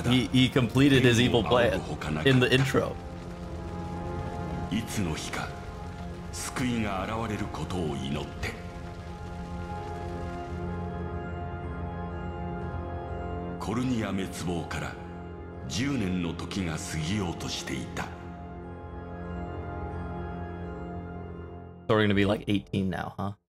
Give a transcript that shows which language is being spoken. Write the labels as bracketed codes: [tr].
[en] He completed his evil plan in the intro. [ja] いつの日か救いが現れることを祈って。コルニア滅亡から10年の時が過ぎようとしていた。 [en] So we're going to be like 18 now, huh?